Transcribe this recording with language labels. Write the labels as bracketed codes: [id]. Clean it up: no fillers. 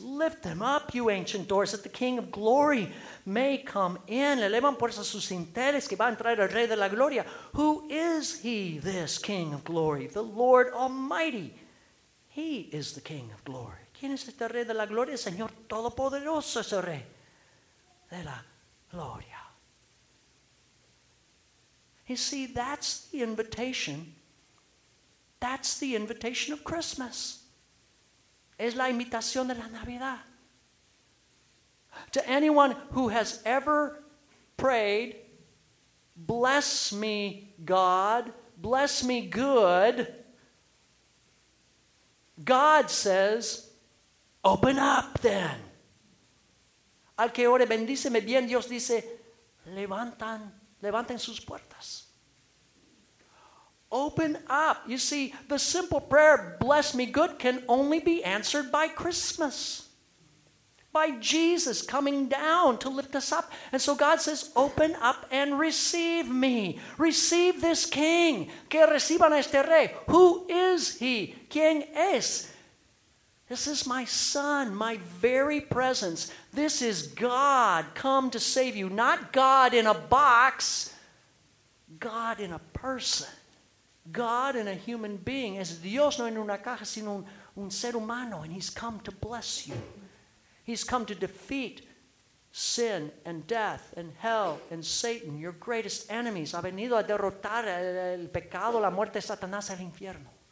[en] Lift them up, you ancient doors, that the King of glory may come in. [es] Elevan puertas sus dinteles, que va a entrar el Rey de la Gloria. [en] Who is he, this King of glory? The Lord Almighty. He is the King of glory. [es] ¿Quién es este Rey de la Gloria? Señor Todopoderoso es el Rey de la Gloria. [en] You see, that's the invitation. That's the invitation of Christmas. [es] Es la invitación de la Navidad. [en] To anyone who has ever prayed, bless me, God, bless me good, God says, open up then. [es] Al que ore, bendíceme bien, Dios dice, levanten sus puertas. [en] Open up. You see, the simple prayer, bless me good, can only be answered by Christmas. By Jesus coming down to lift us up. And so God says, open up and receive me. Receive this King. [es] Que reciban a este Rey. [en] Who is he? [es] ¿Quién es? [en] This is my son, my very presence. This is God come to save you. Not God in a box, God in a person. God in a human being. [es] Es Dios no en una caja, sino un ser humano. [en] And he's come to bless you. He's come to defeat sin and death and hell and Satan, your greatest enemies. [es] Ha venido a derrotar el pecado, la muerte, Satanás, el infierno.